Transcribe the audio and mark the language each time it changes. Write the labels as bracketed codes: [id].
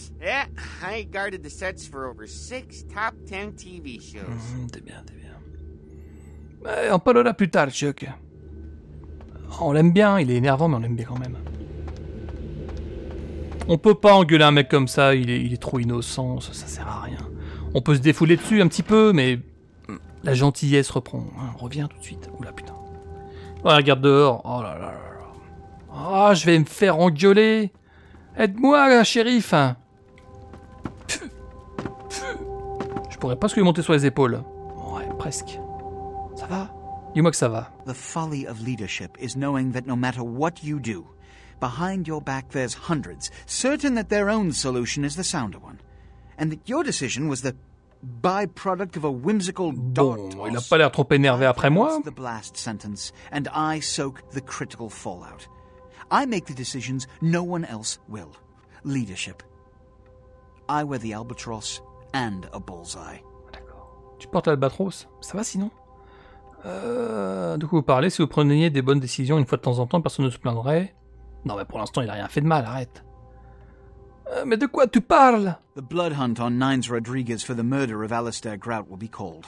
[en] Yeah, I guarded the sets for over 6 top 10 TV shows. [fr] T'es bien, t'es bien. Mais on parlera plus tard, Chuck. On l'aime bien, il est énervant, mais on l'aime bien quand même. On peut pas engueuler un mec comme ça, il est trop innocent, ça sert à rien. On peut se défouler dessus un petit peu, mais la gentillesse reprend. Hein, reviens tout de suite. Oula, putain. Ouais, regarde dehors. Oh là là. Ah, oh, je vais me faire engueuler. Aide-moi, shérif. Je pourrais presque lui monter sur les épaules. Ouais, presque. Ça va? Dis-moi que ça va. [en] The folly of leadership is knowing that no matter what you do, behind your back there's hundreds, certain that their own solution is the sounder one, and that your decision was the byproduct of a whimsical dart. [fr] Bon, il a pas l'air trop énervé après moi. [en] The blast sentence, and I soak the critical fallout. I make the decisions no one else will. Leadership. I wear the albatross and a bullseye. [fr] D'accord. Tu portes l'albatros? Ça va sinon? De quoi vous parlez? Si vous preniez des bonnes décisions une fois de temps en temps, personne ne se plaindrait. Non mais pour l'instant, il a rien fait de mal, arrête. Mais de quoi tu parles? [en] The blood hunt on Nines Rodriguez for the murder of Alistair Grout will be called.